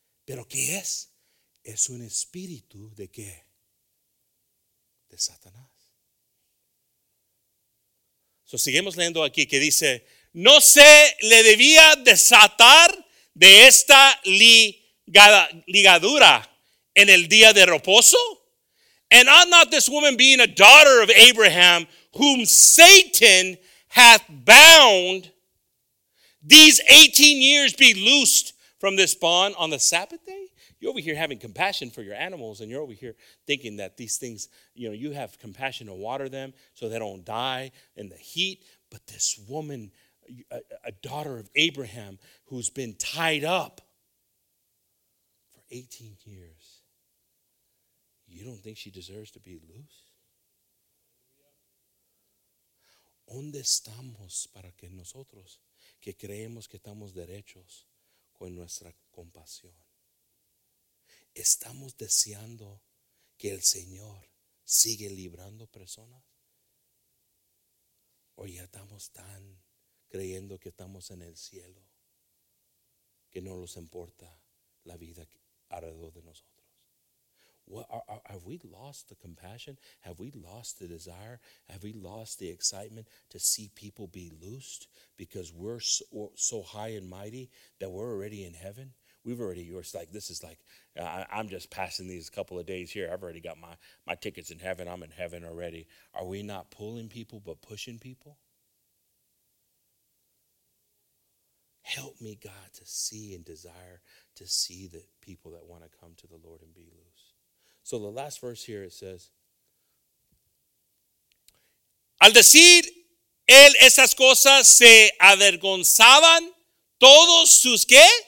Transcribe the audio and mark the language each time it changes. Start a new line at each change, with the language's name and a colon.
Spanish: ¿Pero qué es? Es un espíritu de qué? De Satanás. So, seguimos leyendo aquí que dice, no se le debía desatar de esta ligadura en el día de reposo.
English: And ought not this woman being a daughter of Abraham, whom Satan hath bound, these 18 years be loosed from this bond on the Sabbath day? You're over here having compassion for your animals and you're over here thinking that these things, you know, you have compassion to water them so they don't die in the heat. But this woman, a daughter of Abraham, who's been tied up for 18 years, you don't think she deserves to be loose?
Spanish: ¿Dónde estamos para que nosotros que creemos que estamos derechos con nuestra compasión? ¿Estamos deseando que el Señor sigue librando personas? ¿O ya estamos tan creyendo que estamos en el cielo que no nos importa la vida alrededor de nosotros?
English: Have we lost the compassion? Have we lost the desire? Have we lost the excitement to see people be loosed because we're so high and mighty that we're already in heaven? We've already, yours like, this is like, I'm just passing these couple of days here. I've already got my tickets in heaven. I'm in heaven already. Are we not pulling people but pushing people? Help me, God, to see and desire to see the people that want to come to the Lord and be loose. So the last verse here, it says,
Spanish: al decir él esas cosas, se avergonzaban todos sus qué?